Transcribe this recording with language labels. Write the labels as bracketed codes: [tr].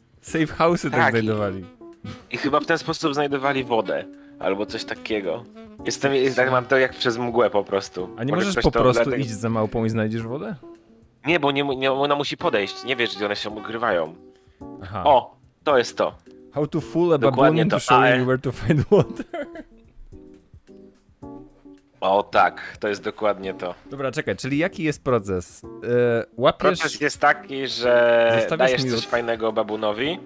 [pl] Safe house'y tak znajdowali. I chyba w ten sposób znajdowali wodę, albo coś takiego. Jestem, tak mam to jak przez mgłę po prostu. A nie możesz po prostu iść za małpą i znajdziesz wodę? Nie, bo nie, ona musi podejść, nie wiesz, gdzie one się ukrywają. Aha. O, to jest to. [en] How to fool a baboon into showing you where to find water. [pl] O tak, to jest dokładnie to. Dobra, czekaj, czyli jaki jest proces? Proces jest taki, że dajesz coś fajnego babunowi.